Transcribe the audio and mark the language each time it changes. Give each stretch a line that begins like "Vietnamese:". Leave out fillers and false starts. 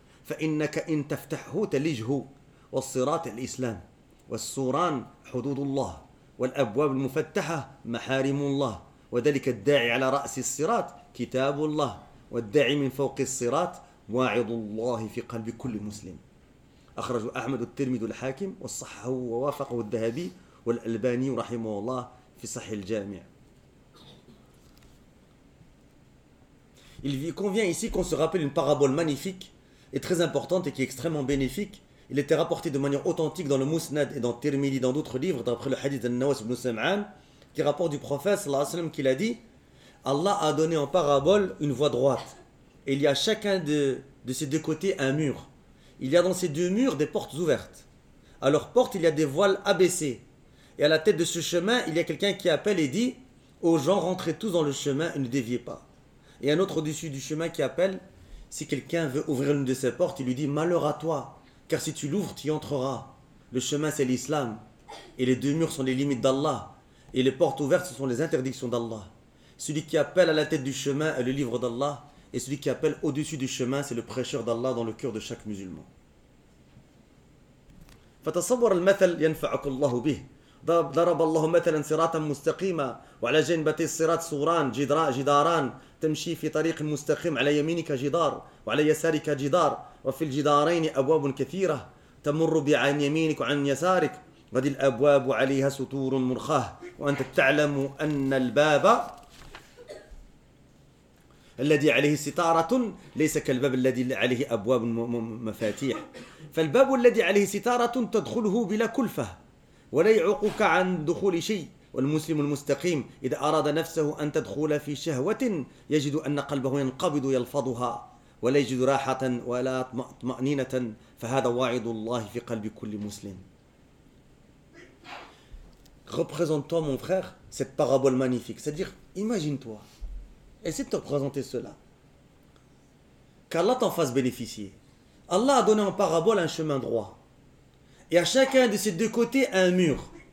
Arabic: فإنك إن تفتحه تلجه والصراط الإسلام والسوران حدود الله والأبواب المفتحة محارم الله وذلك الداعي على رأس الصراط كتاب الله والداعي من فوق الصراط واعظ الله في قلب كل مسلم أخرج أحمد الترمذي الحاكم وصححه ووافقه الذهبي والألباني رحمه الله في صحيح الجامع.
French: Il convient ici qu'on se rappelle une parabole magnifique et très importante et qui est extrêmement bénéfique. Il était rapporté de manière authentique dans le Musnad et dans Tirmidhi, dans d'autres livres, d'après le hadith d'An-Nawas ibn Sam'an, qui rapporte du prophète, sallallahu alayhi wa sallam, qu'il a dit « Allah a donné en parabole une voie droite. Et il y a chacun de ces deux côtés un mur. Il y a dans ces deux murs des portes ouvertes. À leurs portes, il y a des voiles abaissées. Et à la tête de ce chemin, il y a quelqu'un qui appelle et dit « Aux gens, rentrez tous dans le chemin et ne déviez pas. » Et un autre au-dessus du chemin qui appelle, si quelqu'un veut ouvrir l'une de ces portes, il lui dit « Malheur à toi, car si tu l'ouvres, tu y entreras. Le chemin, c'est l'islam. Et les deux murs sont les limites d'Allah. Et les portes ouvertes, ce sont les interdictions d'Allah. Celui qui appelle à la tête du chemin est le livre d'Allah. Et celui qui appelle au-dessus du chemin, c'est le prêcheur d'Allah dans le cœur de chaque musulman. »
Arabic: فتصور المثل ينفعك الله به. ضرب الله مثلا صراطا مستقيما وعلى جنبتي الصراط سوران جداران تمشي في طريق مستقيم على يمينك جدار وعلى يسارك جدار وفي الجدارين أبواب كثيرة تمر بعن يمينك وعن يسارك وهذه الأبواب عليها سطور مرخاه وأنت تعلم أن الباب الذي عليه ستارة ليس كالباب الذي عليه أبواب مفاتيح فالباب الذي عليه ستارة تدخله بلا كلفة ولا يعوقك عن دخول شيء والمسلم المستقيم إذا أراد نفسه أن تدخل في شهوة يجد أن قلبه ينقبض يلفظها ولا يجد راحة ولا طمأنينة فهذا واعظ الله في قلب كل مسلم.
French: Représente-toi mon frère cette parabole magnifique, c'est-à-dire imagine-toi, essaie de te représenter cela, qu'Allah t'en fasse bénéficier. Allah a donné en parabole un chemin droit et à chacun de ces deux côtés un mur.